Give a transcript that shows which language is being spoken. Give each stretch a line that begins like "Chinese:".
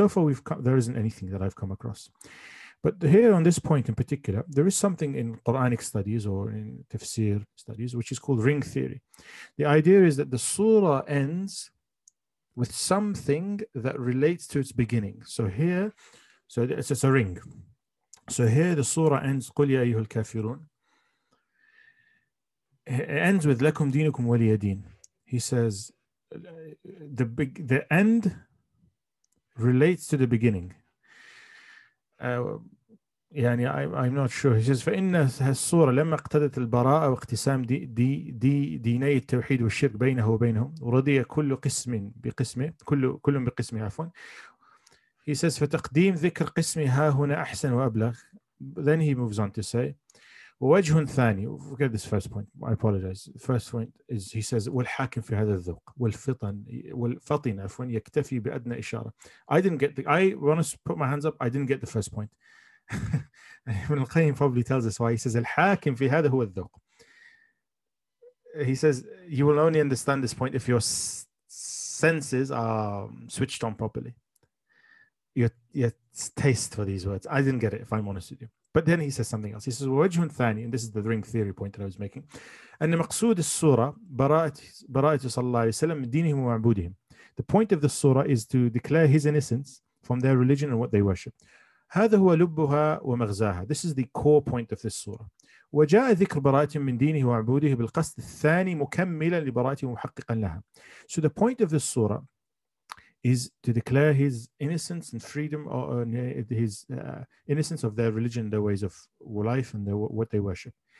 English: So far, there isn't anything that I've come across. But here on this point in particular, there is something in Quranic studies or in tafsir studies, which is called ring theory. The idea is that the surah ends with something that relates to its beginning. So here, so it's a ring. So here the surah ends,
Arabic: قُلْ يَا أَيُّهُ الْكَافِرُونَ.
English: It ends with,
Arabic: لَكُمْ دِينُكُمْ وَلِيَ دِينَ.
English: He says, the end relates to the beginning.
Arabic: يعني
English: I'm not sure. He says,
Arabic: فإن هالصورة لما اقتدت البراءة واقتسام ديني التوحيد والشرك بينه وبينهم ورضي كل قسم بقسمه كل بقسمه عفوا.
English: He says,
Arabic: فتقديم ذكر قسمي ها هنا أحسن وأبلغ.
English: Then he moves on to say,
Arabic: ووجه ثاني,
English: forget this first point, I apologize. First point is, he says,
Arabic: والحاكم في هذا الذوق والفطن عفوا يكتفي بأدنى إشارة.
English: I want to put my hands up, I didn't get the first point. Ibn al-Qayyim probably tells us why. He says,
Arabic: الحاكم في هذا هو الذوق.
English: He says, you will only understand this point if your senses are switched on properly. Your taste for these words. I didn't get it, if I'm honest with you. But then he says something else. He says,
Arabic: وَوَجْهٌ ثَانِي,
English: and this is the ring theory point that I was making,
Arabic: أن مقصود السورة براءته صلى الله عليه وسلم من دينهم ومعبودهم.
English: The point of the surah is to declare his innocence from their religion and what they worship.
Arabic: هذا هو لبها ومغزاها.
English: This is the core point of this surah.
Arabic: وجاء ذكر براءتهم من دينه ومعبوده بالقصد الثاني مكملا لبراءتهم ومحققا لها.
English: So the point of this surah is to declare his innocence and freedom, or his innocence of their religion, their ways of life, and what they worship.